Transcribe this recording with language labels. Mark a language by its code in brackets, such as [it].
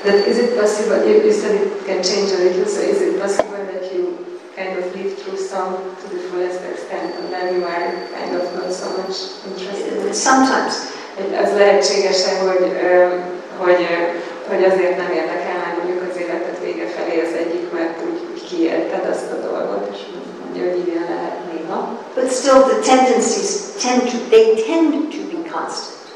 [en] Is it possible, you said it can change a little, so is it possible that you kind of live through some to the fullest extent and then you are kind of not so much interested? Sometimes. [hu] Az lehetséges-e, hogy azért nem érdekel már mondjuk az életet vége felé az egyik, mert úgy kiélted azt a dolgot, és mondja, hogy igen lehet néha. [en] But still the tendencies tend to be constant.